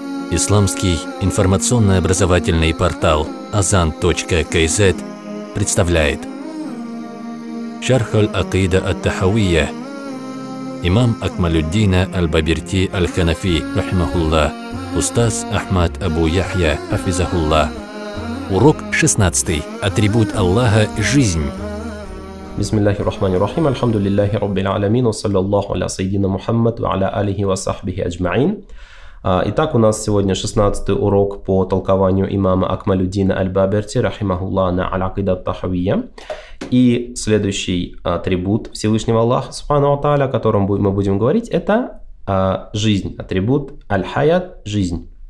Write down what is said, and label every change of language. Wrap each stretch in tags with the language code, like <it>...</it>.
<ru>Исламский информационно-образовательный портал azan.kz представляет Шархаль Акида ат-Тахавия. Имам Акмалюддина аль-Бабирти аль-Ханафи рахимахулла. Устаз Ахмад Абу Яхья хафизахулла. Урок 16. Атрибут Аллаха жизнь.</ru> <ar>بسم الله الرحمن الرحيم الحمد لله رب العالمين وصلى الله على سيدنا محمد وعلى آله وصحبه أجمعين.</ar> <ru>Итак, у нас сегодня 16 урок по толкованию имама Акмалюддина аль-Баберти рахимахуллах на аль-Акида ат-Тахавия. И следующий атрибут Всевышнего Аллаха субхана ва тааля, о котором мы будем говорить, это жизнь, атрибут аль-хаят, жизнь.</ru>